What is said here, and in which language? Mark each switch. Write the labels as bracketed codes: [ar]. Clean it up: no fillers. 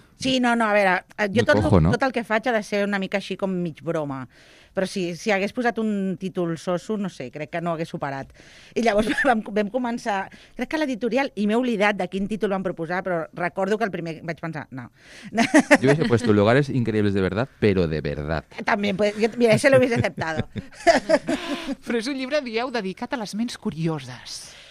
[ca] Sí, no, a veure, jo tot el que faig ha de ser una mica així com mig broma, però si hagués posat un títol soso, no sé, crec que no hagués superat. I llavors vam començar, crec que l'editorial, i m'he oblidat de quin títol vam proposar, però recordo que el primer vaig pensar, no. [es] Jo hubiese puesto Lugares Increíbles de Verdad, pero de verdad. També, pues, yo, mira, ese lo hubiese aceptado. [ca] Però és un llibre, dieu, dedicat a les ments curioses.